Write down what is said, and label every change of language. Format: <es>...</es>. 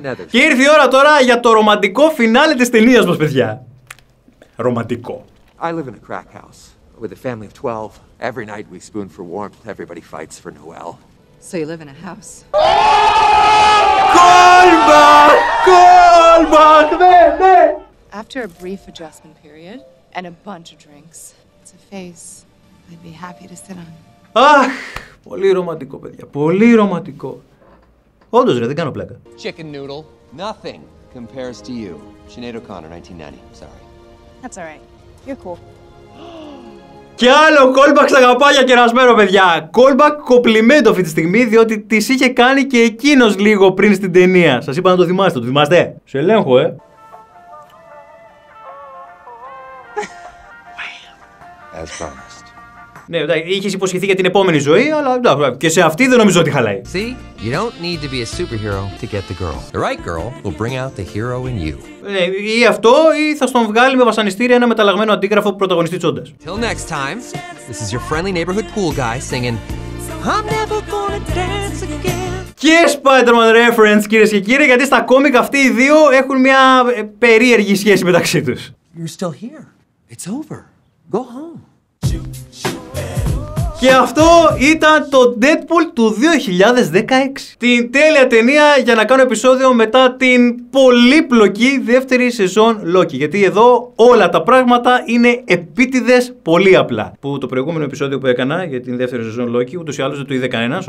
<el>Και ήρθε η ώρα τώρα για το ρομαντικό φινάλε της ταινίας μας, παιδιά. Ρομαντικό.</el> <en>I live in a crack house with a family of 12. Every night we spoon for warmth, everybody fights for Noel. So you live in a house. Callback! After a brief adjustment period and a bunch of drinks, it's a face I'd be happy to sit on.</en> <el>Αχ, πολύ ρομαντικό, παιδιά, πολύ ρομαντικό. Όντως, ρε, δεν κάνω πλάκα.</el> <en>Chicken noodle, nothing compares to you. Sinead O'Connor, 1990, sorry. That's alright, you're cool.</en> <el>Κι άλλο callback στα αγαπάκια κερασμένο, παιδιά. Callback κοπλιμέντο αυτή τη στιγμή, διότι τις είχε κάνει και εκείνος λίγο πριν στην ταινία. Σας είπα να το θυμάστε, το θυμάστε. Σε ελέγχω, ε.</el> <en>As promised.</en> <el>Ναι, είχες υποσχεθεί για την επόμενη ζωή, αλλά και σε αυτή δεν νομίζω ότι χαλάει.</el> <en>See, you don't need to be a superhero to get the girl. The right girl will bring out the hero in you.</en> <el>Ναι, ή αυτό, ή θα στον βγάλει με βασανιστήρια ένα μεταλλαγμένο αντίγραφο πρωταγωνιστή τσόντας.</el> <en>Till next time, this is your friendly neighborhood pool guy singing, I'm never gonna dance again.</en> <el>Και Spider-Man reference, κυρίες και κύριοι, γιατί στα κόμικ αυτοί οι δύο έχουν μια περίεργη σχέση μεταξύ τους.</el> <en>You're still here. It's over. Go home.</en> <el>Και αυτό ήταν το Deadpool του 2016. Την τέλεια ταινία για να κάνω επεισόδιο μετά την πολύπλοκη δεύτερη σεζόν Loki. Γιατί εδώ όλα τα πράγματα είναι επίτηδες πολύ απλά. Που το προηγούμενο επεισόδιο που έκανα για την δεύτερη σεζόν Loki ούτως ή άλλως δεν το είδε κανένας.</el>